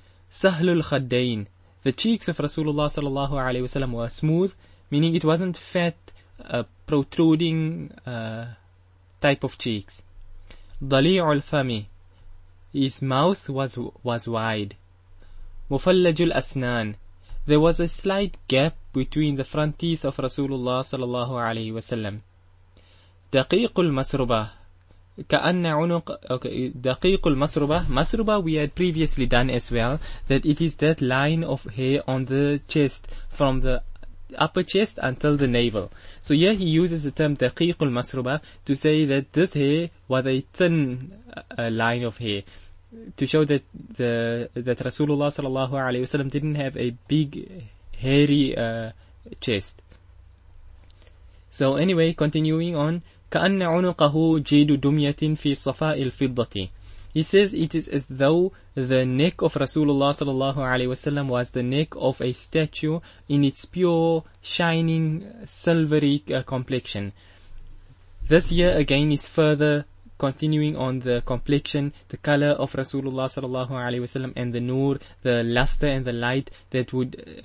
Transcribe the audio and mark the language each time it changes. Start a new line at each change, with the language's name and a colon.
Arabic: سَهْلُ الْخَدَّيْنِ,
English: the cheeks of Rasulullah sallallahu alaihi wasallam were smooth, meaning it wasn't fat, protruding type of cheeks. Dali'ul fami, his mouth was wide. Mufallajul asnan, there was a slight gap between the front teeth of Rasulullah sallallahu alaihi wasallam.
Arabic: Daqiqul masruba, كأن عنق, okay, دقيق المسربة.
English: مسربة we had previously done as well, that it is that line of hair on the chest, from the upper chest until the navel. So here he uses the term دقيق المسربة to say that this hair was a thin line of hair, to show that that Rasulullah sallallahu alaihi wasallam didn't have a big hairy chest. So anyway, continuing on,
Arabic: كأن عنقه جيد دمية في صفاء الفضة.
English: He says it is as though the neck of Rasulullah sallallahu alaihi wasallam was the neck of a statue in its pure, shining, silvery complexion. This year again is further continuing on the complexion, the color of Rasulullah sallallahu alaihi wasallam, and the nur, the luster and the light that would,